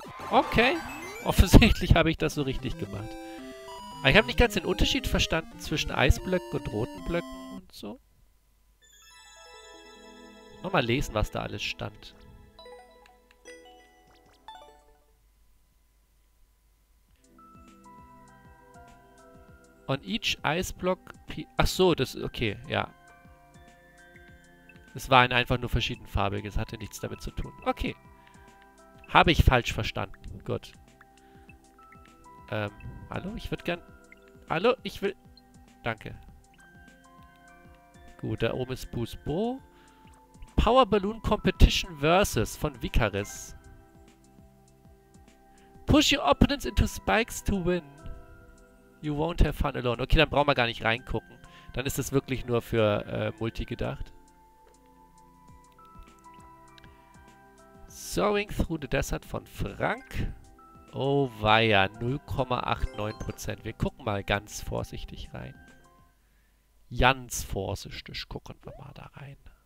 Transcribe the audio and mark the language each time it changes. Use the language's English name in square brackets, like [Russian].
[German] Okay, offensichtlich habe ich das so richtig gemacht. Aber ich habe nicht ganz den Unterschied verstanden zwischen Eisblöcken und roten Blöcken und so. Nochmal lesen, was da alles stand. [English] On each ice block... Okay, ja. [German] Es waren einfach nur verschiedenfarbig, es hatte nichts damit zu tun. Okay. Habe ich falsch verstanden. Gut. Hallo? Ich würde gern... Hallo? Ich will... Danke. Gut, da oben ist Boosbo. Power Balloon Competition Versus von Vicaris. [English] Push your opponents into spikes to win. You won't have fun alone. [German] Okay, dann brauchen wir gar nicht reingucken. Dann ist das wirklich nur für Multi gedacht. Soaring Through the Desert von Frank. Oh weia, 0,89%. Wir gucken mal ganz vorsichtig rein. Ganz vorsichtig gucken wir mal da rein.